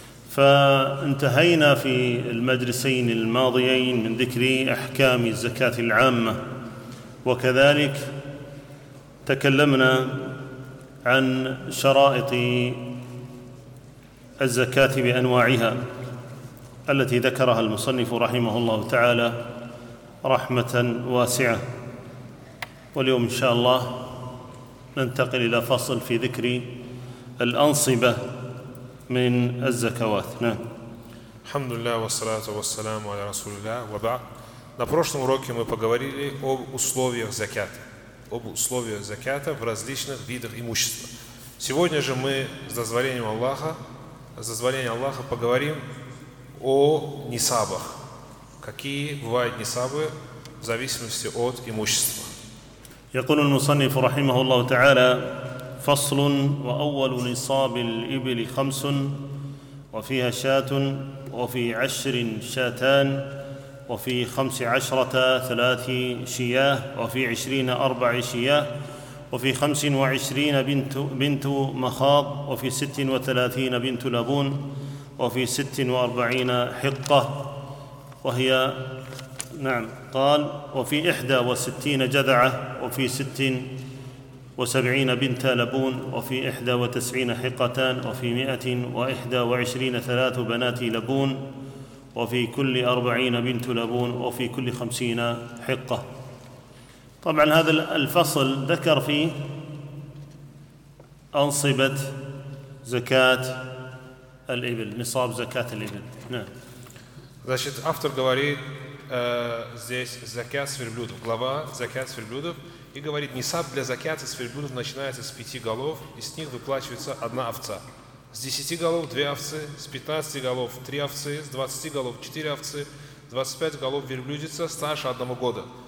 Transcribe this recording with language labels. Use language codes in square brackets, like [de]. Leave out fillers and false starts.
[ar] فانتهينا في المجلسين الماضيين من ذكر أحكام الزكاة العامة، وكذلك تكلمنا عن شرائط الزكاة بأنواعها التي ذكرها المصنف رحمه الله تعالى رحمةً واسعة. واليوم إن شاء الله ننتقل إلى فصل في ذكر الأنصبة من الزكوات. الحمد لله والصلاة والسلام على رسول الله. [ru] وبعد، на прошлом уроке мы поговорили об условиях закята, об условиях закята в различных видах имущества. Сегодня же мы с дозволением Аллаха, поговорим о нисабах. Какие бывают нисабы в зависимости от имущества. [ar] يقول المصنف رحمه الله تعالى: فصل. وأول نصاب الإبل خمس، وفيها شاة، وفي عشر شاتان، وفي خمس عشرة ثلاث شياه، وفي عشرين أربع شياه، وفي خمس وعشرين بنت مخاض، وفي ست وثلاثين بنت لبون، وفي ست وأربعين حقة، وهي نعم قال: وفي إحدى وستين جذعة، وفي ست وسبعين بنت لبون، وفي إحدى وتسعين حقتان، وفي مئة وإحدى وعشرين ثلاث بنات لبون، وفي كل أربعين بنت لبون، وفي كل خمسين حقة. طبعا هذا الفصل ذكر فيه أنصبة زكاة الإبل، نصاب زكاة الإبل. نعم. [ru] Здесь закят сверблюдов, глава закят сверблюдов, и говорит: нисаб для закята сверблюдов начинается с пяти голов, и с них выплачивается одна овца. С десяти голов две овцы, с пятнадцати голов три овцы, с двадцати голов четыре овцы, с двадцати пять голов верблюдица старше одного года.